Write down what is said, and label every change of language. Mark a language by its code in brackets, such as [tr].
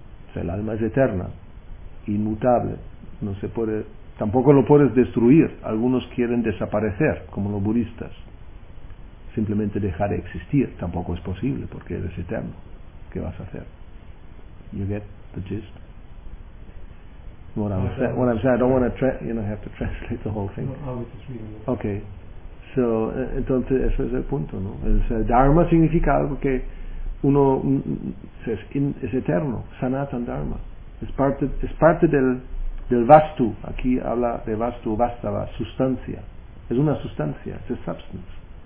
[es] O sea, el alma es eterna, inmutable, no se puede, tampoco lo puedes destruir. Algunos quieren desaparecer, como los budistas, simplemente dejar de existir. Tampoco es posible, porque eres eterno. ¿Qué vas a hacer? [en] You get the gist? What I'm saying, I don't want to have to translate the whole thing. [es] No, okay, so entonces ese es el punto, ¿no? El dharma significa algo que uno es eterno, sanatan dharma. Es parte del vastu. Aquí habla de vastu, vastava, sustancia. Es una sustancia, es una substance.